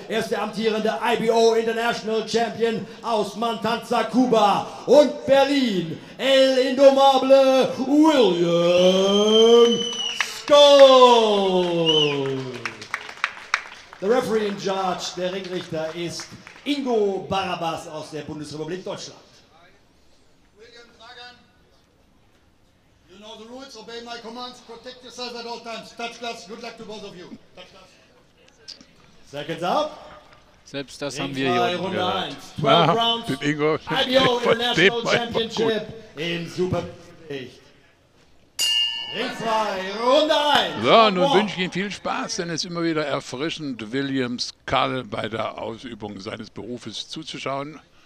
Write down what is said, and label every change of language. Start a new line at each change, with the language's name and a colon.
German: Er ist der amtierende IBO International Champion aus Matanzas, Kuba und Berlin. El Indomable William Skull.
English: The referee in charge,
German: der Ringrichter, ist Ingo Barabas aus der Bundesrepublik Deutschland.
English: William Dragan, you know the rules, obey my commands, protect yourself at all times. Touch gloves, good luck to both of you. Touch gloves. Seconds up.
German: Selbst das haben wir hier unten gehört. 12 rounds, IBO International Championship im Supergewicht. Ring 2, Runde 1. So, nun wünsche ich Ihnen viel Spaß, denn es ist immer wieder erfrischend, William Skull bei der Ausübung seines Berufes zuzuschauen.